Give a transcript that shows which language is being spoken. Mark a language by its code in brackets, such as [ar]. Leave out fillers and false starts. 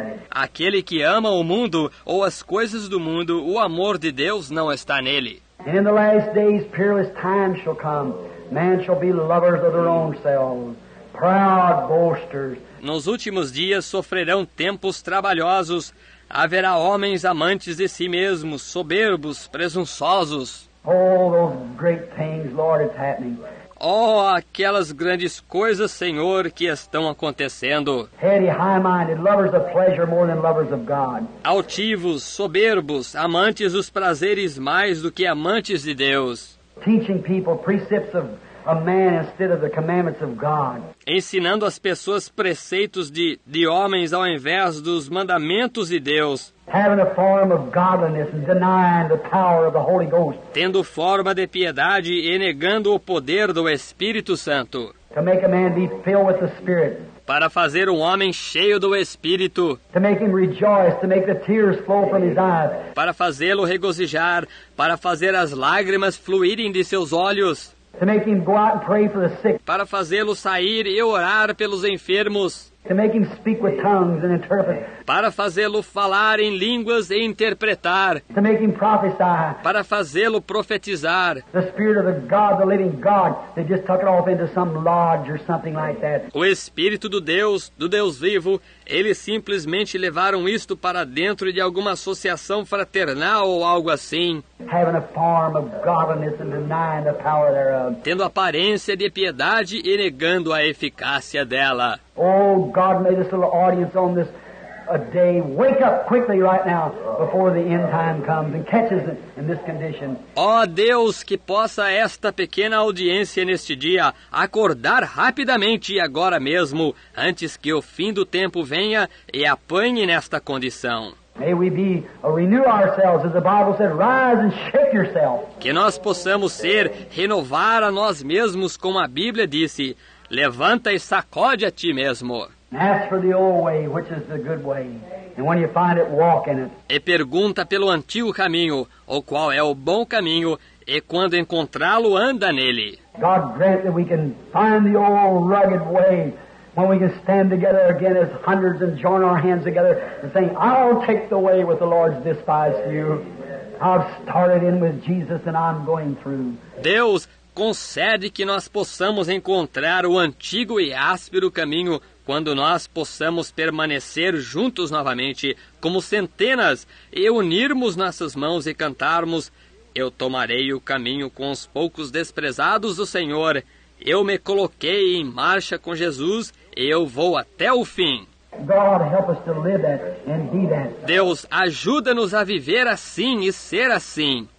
[pt] Aquele que ama o mundo ou as coisas do mundo, o amor de Deus não está nele. [en] And in the last days, perilous times shall come. Man shall be lovers of their own selves, proud boasters. [pt] Nos últimos dias sofrerão tempos trabalhosos. Haverá homens amantes de si mesmos, soberbos, presunçosos. [en] All those great things, Lord, it's happening. [pt] Oh, aquelas grandes coisas, Senhor, que estão acontecendo. [en] Heady, high-minded, lovers of pleasure more than lovers of God. [pt] Altivos, soberbos, amantes dos prazeres mais do que amantes de Deus. [en] Teaching people precepts of a man instead of the commandments of God. [pt] Ensinando as pessoas preceitos de homens ao invés dos mandamentos de Deus. [en] Having a form of godliness and denying the power of the Holy Ghost. [pt] Tendo forma de piedade e negando o poder do Espírito Santo. [en] To make a man be filled with the Spirit. [pt] Para fazer um homem cheio do Espírito. [en] To make him rejoice, to make the tears flow from his eyes. [pt] Para fazê-lo regozijar, para fazer as lágrimas fluírem de seus olhos. [en] To make him go out and pray for the sick. [pt] Para fazê-lo sair e orar pelos enfermos. [en] To make him speak with tongues and interpret. [pt] Para fazê-lo falar em línguas e interpretar. [en] To make him prophesy. [pt] Para fazê-lo profetizar. [en] The spirit of the God, the living God, they just took it off into some lodge or something like that. [pt] O espírito do Deus vivo, eles simplesmente levaram isto para dentro de alguma associação fraternal ou algo assim. [en] Having a form of godliness and denying the power thereof. [pt] Tendo aparência de piedade e negando a eficácia dela. [en] Oh, God, may this little audience on this a day wake up quickly right now before the end time comes and catches it in this condition. [pt] Oh, Deus, que possa esta pequena audiência neste dia acordar rapidamente agora mesmo, antes que o fim do tempo venha e apanhe nesta condição. [en] May we be a renew ourselves, as the Bible said, rise and shake yourself. [pt] Que nós possamos ser, renovar a nós mesmos, como a Bíblia disse, Levanta e sacode a ti mesmo. [en] Ask for the old way, which is the good way. And when you find it, walk in it. [pt] E pergunta pelo antigo caminho, o qual é o bom caminho, e quando encontrá-lo, anda nele. [en] God grant that we can find the old rugged way, when we can stand together again as hundreds and join our hands together and say, I'll take the way with the Lord's despised you. I've started in with Jesus and I'm going through. [pt] Deus concede que nós possamos encontrar o antigo e áspero caminho quando nós possamos permanecer juntos novamente, como centenas, e unirmos nossas mãos e cantarmos, eu tomarei o caminho com os poucos desprezados do Senhor, eu me coloquei em marcha com Jesus, e eu vou até o fim. [en] God, help us to live that and be that. [pt] Deus, ajuda-nos a viver assim e ser assim.